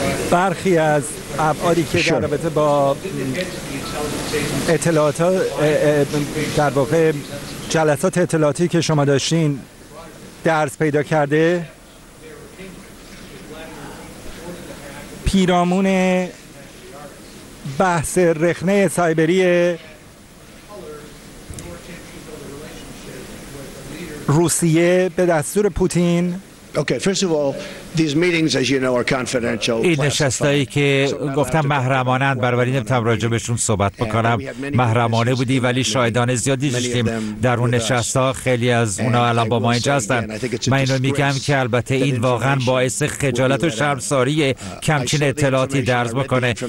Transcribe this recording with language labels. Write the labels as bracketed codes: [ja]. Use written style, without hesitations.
[fa] برخی از ابعادی که در رابطه با اطلاعات در واقع جلسات اطلاعاتی که شما داشتین درس پیدا کرده، پیرامون بحث رخنه سایبری روسیه به دستور پوتین. [en] Okay, first of all, these meetings, as you know, are confidential. [fa] این نشستایی که گفتم محرمانه‌اند، برابری نمی‌تونم راجع بهشون صحبت بکنم. محرمانه بودی، ولی شاهدان زیادی داشتیم در اون نشست‌ها. خیلی از اونا الان با ما اینجا هستن. من اینو میگم که البته این واقعا باعث خجالت و شرمساریه که همچین اطلاعاتی درز بکنه.